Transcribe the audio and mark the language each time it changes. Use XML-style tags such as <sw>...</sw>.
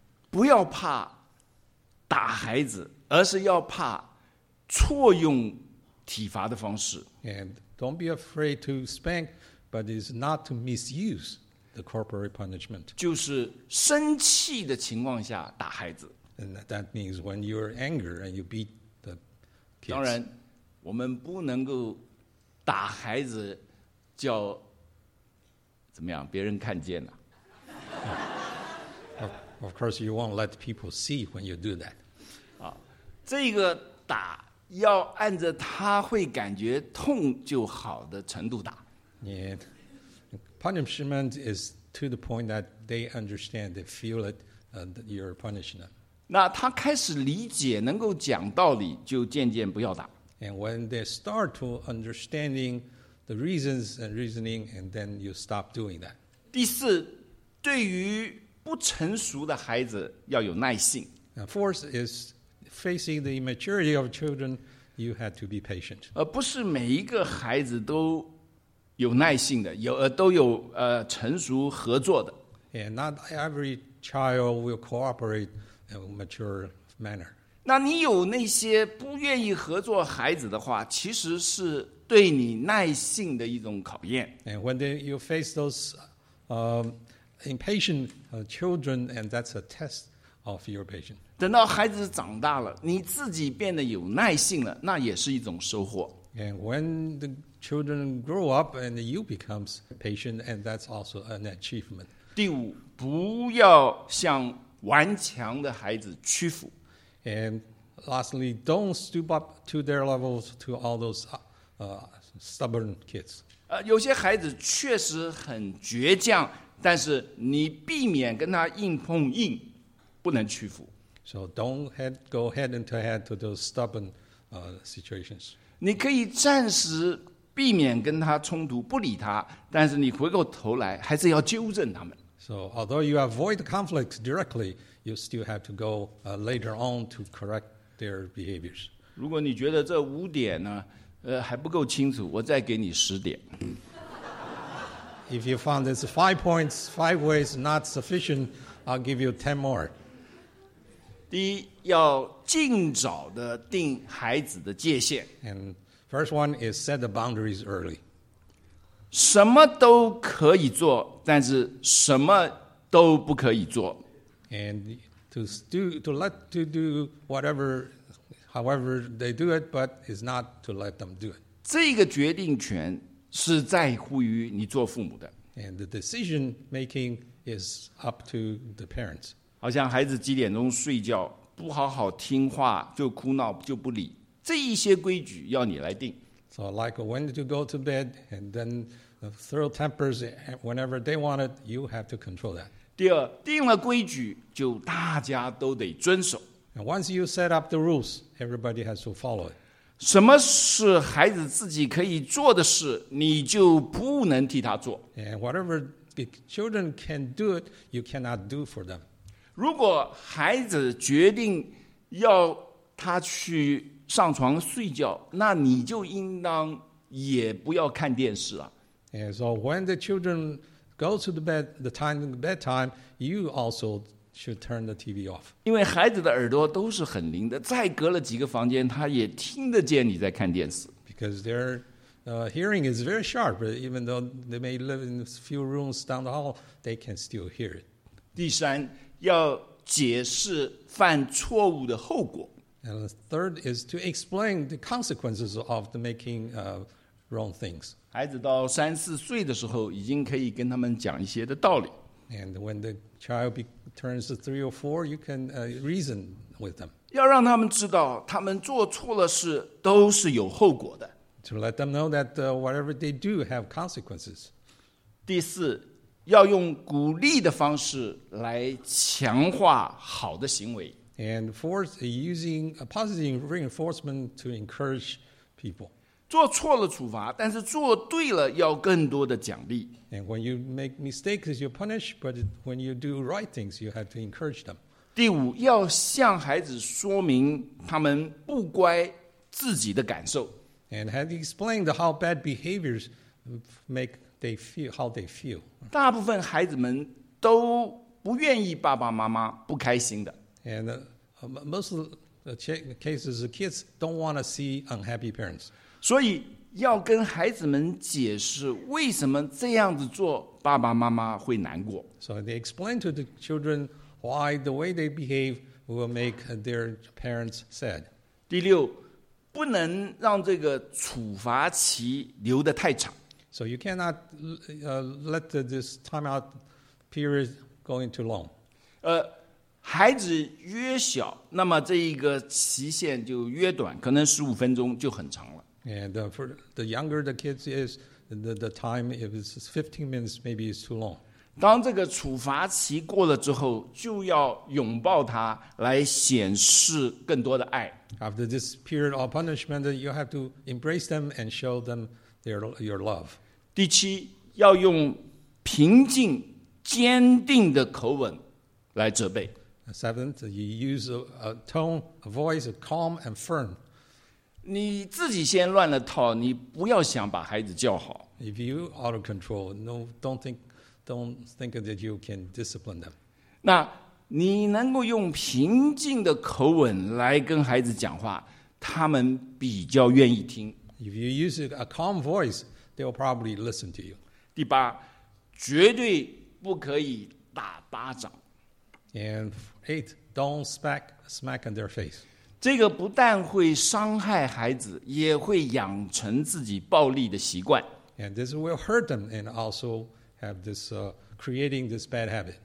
<zh>不要怕打孩子，而是要怕错用体罚的方式。</zh> <en>And don't be afraid to spank, but it's not to misuse the corporal punishment.</en> <zh>就是生气的情况下打孩子。</zh> <en>And that means when you are angry and you beat the kids.</en> <zh>当然，我们不能够打孩子叫怎么样，别人看见了。</zh> <en>Of course, you won't let people see when you do that.</en> <zh>啊，这个打要按着他会感觉痛就好的程度打。</zh> <en>Yeah. Punishment is to the point that they understand, they feel it, you're punishing them.</en> <zh>那他开始理解，能够讲道理，就渐渐不要打。</zh> <en>And when they start to understanding the reasons and reasoning, and then you stop doing that.</en> <zh>第四，对于不成熟的孩子要有耐性。</zh> <en>Now, fourth is facing the immaturity of children, you have to be patient.</en> <zh>不是每一个孩子都有耐性的，都有成熟合作的。</zh> <en>And not every child will cooperate in a mature manner.</en> <zh>那你有那些不愿意合作孩子的话，其实是对你耐性的一种考验。</zh> <en>And when you face those impatient children, and that's a test of your patient.</en> <zh>等到孩子长大了，你自己变得有耐性了，那也是一种收获。</zh> <en>And when the children grow up and you become patient, and that's also an achievement.</en> <zh>第五，不要向顽强的孩子屈服。</zh> <en>And lastly, don't stoop up to their levels to all those stubborn kids.</en> <zh>有些孩子确实很倔强，但是你避免跟他硬碰硬，不能屈服。</zh> <en>So don't go head to head to those stubborn situations.</en> <zh>你可以暂时避免跟他冲突，不理他，但是你回过头来还是要纠正他们。</zh> <en>So although you avoid conflict directly, you still have to go later on to correct their behaviors.</en> <zh>如果你觉得这五点呢，还不够清楚，我再给你十点。</zh> <en>If you found this 5 points, 5 ways not sufficient, I'll give you 10 more.</en> <zh>第一，要尽早的定孩子的界限。</zh> <en>And first one is set the boundaries early.</en> <zh>什么都可以做，但是什么都不可以做。</zh> <en>And to do whatever, however they do it, but is not to let them do it.</en> <zh>这个决定权是在乎于你做父母的。</zh> <en>And the decision making is up to the parents.</en> <zh>好像孩子几点钟睡觉，不好好听话就哭闹就不理，这一些规矩要你来定。</zh> <en>So like when to go to bed and then throw tempers whenever they want it, you have to control that.</en> <zh>第二，定了规矩就大家都得遵守。</zh> <en>And once you set up the rules, everybody has to follow it.</en> <zh>什么是孩子自己可以做的事，你就不能替他做。</zh> <en>And whatever the children can do, you cannot do for them.</en> <zh>如果孩子决定要他去上床睡觉，那你就应当也不要看电视啊。</zh> <en>And so when the children go to the bed, the time of bedtime, you also should turn the TV off.</en> <zh>因为孩子的耳朵都是很灵的，再隔了几个房间，他也听得见你在看电视。</zh> <en>Because their hearing is very sharp, even though they may live in a few rooms down the hall, they can still hear it.</en> <zh>第三，要解释犯错误的后果。</zh> <en>And the third is to explain the consequences of the making wrong things.</en> <zh>孩子到三四岁的时候，已经可以跟他们讲一些的道理。</zh> <en>And when the child turns to 3 or 4, you can reason with them.</en> <zh>要让他们知道，他们做错了事都是有后果的。</zh> <en>To let them know that whatever they do have consequences.</en> <zh>第四，要用鼓励的方式来强化好的行为。</zh> <en>And fourth, using a positive reinforcement to encourage people.</en> <zh>做错了处罚，但是做对了要更多的奖励。</zh> <en>And when you make mistakes, you punish, but when you do right things, you have to encourage them.</en> <zh>第五，要向孩子说明他们不乖自己的感受。</zh> <en>And have you explained how bad behaviors make they feel, how they feel.</en> <zh>大部分孩子们都不愿意爸爸妈妈不开心的。</zh> <en>And most of the cases, the kids don't want to see unhappy parents.</en> <zh>所以要跟孩子们解释为什么这样子做爸爸妈妈会难过。</zh> <en>So they explain to the children why the way they behave will make their parents sad.</en> <zh>第六，不能让这个处罚期留得太长。</zh> <en>So you cannot let this timeout period go in too long.</en> <zh>孩子越小，那么这一个期限就越短，可能15分钟就很长了。</zh> <en>And for the younger the kids is, the time, if it's 15 minutes, maybe it's too long.</en> <zh>当这个处罚期过了之后，就要拥抱他，来显示更多的爱。</zh> <en>After this period of punishment, you have to embrace them and show them your love.</en> <zh>第七，要用平静、坚定的口吻来责备。</zh> <en>Seventh, you use a tone, a voice, a calm and firm.</en> <zh>你自己先乱了套，你不要想把孩子教好。</zh> <en>If you out of control, no, don't think that you can discipline them.</en> <zh>那你能够用平静的口吻来跟孩子讲话，他们比较愿意听。</zh> <en>If you use a calm voice, they will probably listen to you.</en> <zh>第八，绝对不可以打巴掌。</zh> <en>And eight, don't smack in their face.</en> <zh>这个不但会伤害孩子，也会养成自己暴力的习惯。</zh> <en>And this will hurt them and also have this, creating this bad habit.</en>